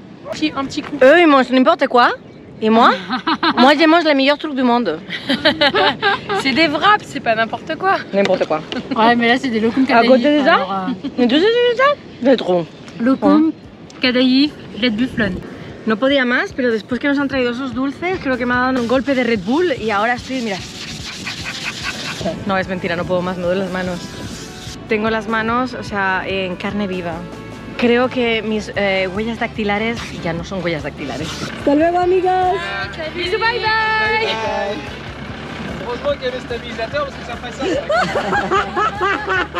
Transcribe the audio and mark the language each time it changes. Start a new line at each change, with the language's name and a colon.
French: Un petit coup. Eux, ils mangent n'importe quoi. Et moi? Moi, je mange les meilleurs trucs du monde. C'est des wraps, c'est pas n'importe quoi. N'importe quoi. Ouais, mais là, c'est des locums kadaïf. À côté de ça? C'est trop. Locum, kadaïf, lait de buffle.
Spanish: No podía más, pero después que nos han traído esos dulces, creo que me ha dado un golpe de Red Bull y ahora estoy, mira. No, es mentira, no puedo más, me duelen las manos. Tengo las manos, o sea, en carne viva. Creo que mis huellas dactilares ya no son huellas dactilares. ¡Hasta luego, amigas!
English: ¡Bye, bye! ¡Bye, bye!
French: Heureusement qu'il y avait stabilisateur, parce que ça fait ça.